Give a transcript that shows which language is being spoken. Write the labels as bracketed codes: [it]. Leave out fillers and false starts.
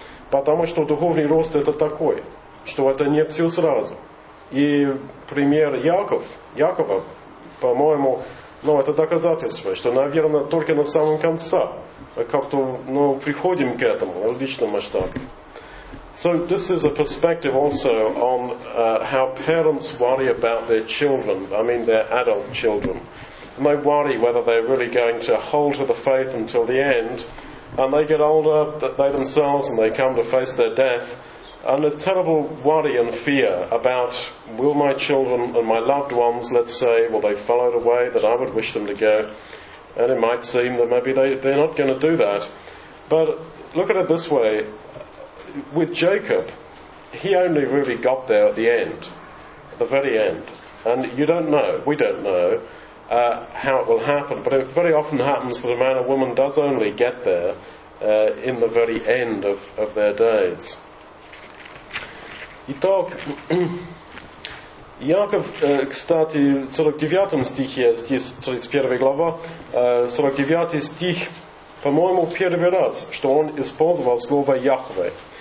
[ru] Потому что духовный рост это такой, что это не все сразу. И пример Якова, по-моему, это доказательство, что, наверное, только на самом конце как-то, приходим к этому личному масштабу. [en] So this is a perspective also on how parents worry about their children, I mean their adult children. And they worry whether they're really going to hold to the faith until the end. And they get older, they themselves, and they come to face their death. And a terrible worry and fear about will my children and my loved ones, let's say, will they follow the way that I would wish them to go? And it might seem that maybe they're not going to do that. But look at it this way. With Jacob, he only really got there at the end, at the very end. And you don't know, we don't know, how it will happen. But it very often happens that a man or woman does only get there in the very end of their days. [ru] Итак, Яков, кстати, 49 стихе, здесь 31 глава, 49 стих, по-моему, первый раз, что он использовал слово Яхве.